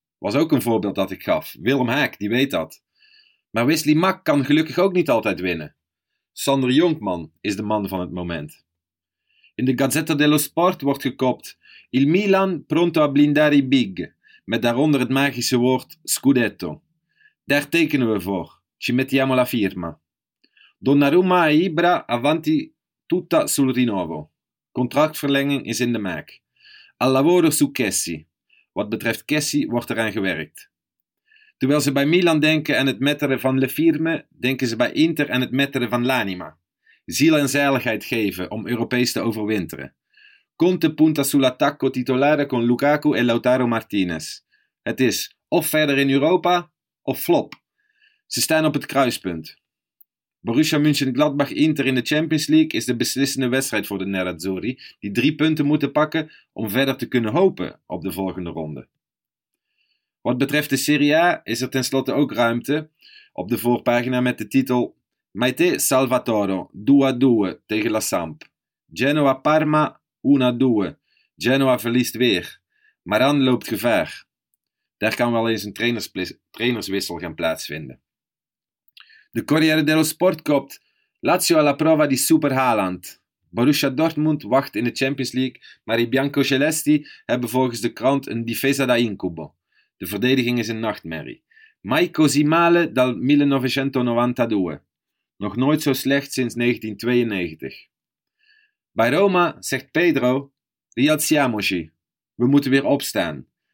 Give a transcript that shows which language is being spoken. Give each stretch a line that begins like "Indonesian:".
Dutch: Was ook een voorbeeld dat ik gaf. Willem Haak, die weet dat. Maar Wesley Mack kan gelukkig ook niet altijd winnen. Sander Jonkman is de man van het moment. In de Gazzetta dello Sport wordt gekopt
Italian: Il Milan pronto a blindare i big,
Dutch: met daaronder het magische woord Scudetto. Daar tekenen we voor.
Italian: Ci mettiamo la firma. Donnarumma a Ibra avanti tutta sul rinnovo.
Dutch: Contractverlenging is in de maak.
Italian: Al lavoro su Cessi.
Dutch: Wat betreft Cessie wordt eraan gewerkt. Terwijl ze bij Milan denken aan het metteren van Le Firme, denken ze bij Inter aan het metteren van l'anima. Ziel en zaligheid geven om Europees te overwinteren.
Italian: Conte punta sull'attacco titolare con Lukaku e Lautaro Martinez.
Dutch: Het is of verder in Europa, of flop. Ze staan op het kruispunt. Borussia Mönchengladbach-Inter in de Champions League is de beslissende wedstrijd voor de Nerazzurri, die 3 punten moeten pakken om verder te kunnen hopen op de volgende ronde. Wat betreft de Serie A is er tenslotte ook ruimte op de voorpagina met de titel Maite Salvatore 2-2 tegen La Samp. Genoa Parma 1-2. Genoa verliest weer. Maran loopt gevaar. Daar kan wel eens een trainerswissel gaan plaatsvinden. De Corriere dello Sport kopt Lazio
Italian: alla prova di
Dutch: Super Haaland. Borussia Dortmund wacht in de Champions League, maar i Biancocelesti hebben volgens de krant een
Italian: difesa da incubo.
Dutch: De verdediging is een nachtmerrie.
Italian: Mai così male dal 1992.
Dutch: Nog nooit zo slecht sinds 1992. Bij Roma zegt Pedro,
Italian: rialziamoci,
Dutch: we moeten weer opstaan.